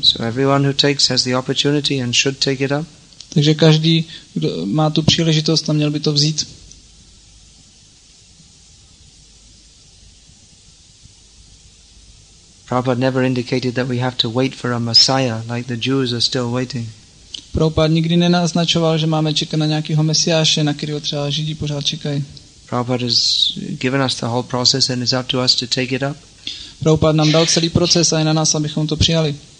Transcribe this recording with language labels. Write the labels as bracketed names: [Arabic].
[English] So everyone who takes has the opportunity and should take it up. [Czech] Takže každý, kdo má tu příležitost, tam měl by to vzít. [English] Prabhupada never indicated that we have to wait for a messiah, like the Jews are still waiting. [Czech] Prabhupada nikdy nenaznačoval, že máme čekat na nějakého mesiáše, na kterého třeba Židi pořád čekají. [English] Prabhupada has given us the whole process and it's up to us to take it up. [Czech] Prabhupada nám dal celý proces a je na nás, abychom to přijali.